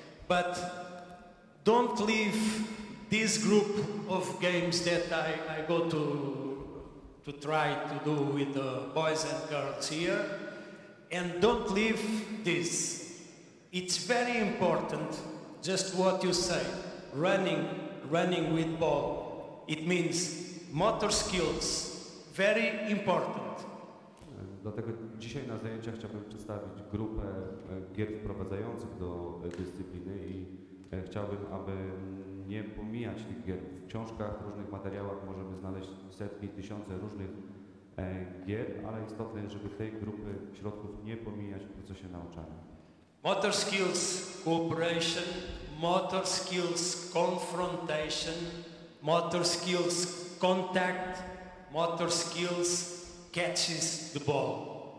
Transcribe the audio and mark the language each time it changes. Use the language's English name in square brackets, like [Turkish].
[English] But don't leave this group of games that I go to try to do with the boys and girls here. And don't leave this. It's very important, just what you say, running with ball. It means motor skills, very important. [Polish] Dlatego dzisiaj na zajęciach chciałbym przedstawić grupę gier wprowadzających do dyscypliny i chciałbym, aby nie pomijać tych gier. W książkach, w różnych materiałach możemy znaleźć setki, tysiące różnych gier, ale istotne jest, żeby tej grupy środków nie pomijać w procesie nauczania. [English] Motor skills, cooperation, motor skills, confrontation, motor skills, contact, motor skills, catches the ball.